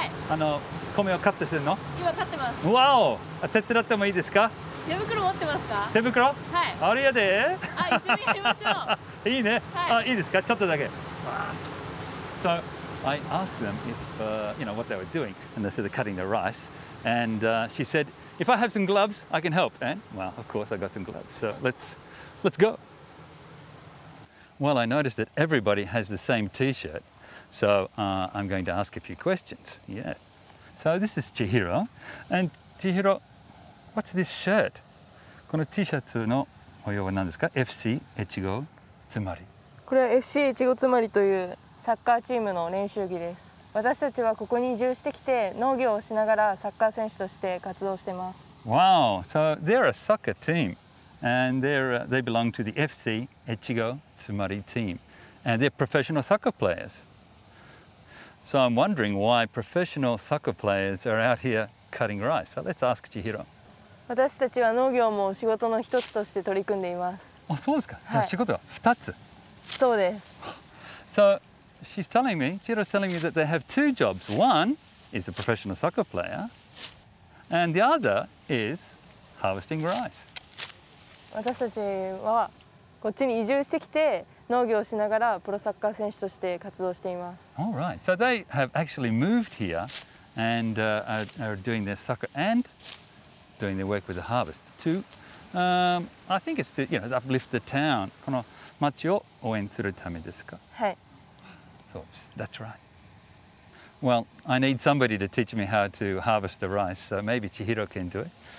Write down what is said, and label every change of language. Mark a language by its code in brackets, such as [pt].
[ja] あの、米をカットしてるの? 今、買ってます! Wow! 手伝ってもいいですか? 手袋持ってますか? 手袋? はい! あれやで! あ、一緒に行きましょう! いいね!あ、いいですか?ちょっとだけ! [en] So, I asked them if, you know, what they were doing, and they said they're cutting the rice, and she said, if I have some gloves, I can help. And, well, of course, I got some gloves. So let's go. Well, I noticed that everybody has the same T-shirt. So I'm going to ask a few questions. Yeah. So this is Chihiro. And Chihiro, what's this shirt? [ja] この T-shirt の模様は何ですか?FC Echigo Tsumari. これは FC Echigo Tsumari というサッカーチームの練習着です。私たちはここに移住してきて農業をしながらサッカー選手として活動しています。 [en] Wow, so they're a soccer team, and they belong to the FC Echigo Tsumari team, and they're professional soccer players. So I'm wondering why professional soccer players are out here cutting rice. So let's ask Chihiro. [ja] 私たちは農業も仕事の一つとして取り組んでいます。 Oh, そうですか。じゃあ仕事は二つ。そうです。 [en] So. She's telling me, Chihiro's telling me that they have two jobs. One is a professional soccer player, and the other is harvesting rice. [ja] 私たちはこっちに移住してきて農業をしながらプロサッカー選手として活動しています。 [en] All right, so they have actually moved here and are doing their soccer and doing their work with the harvest to, I think it's to, you know, uplift the town. [ja] この町を応援するためですか? はい。 [en] That's right. Well, I need somebody to teach me how to harvest the rice, so maybe Chihiro can do it.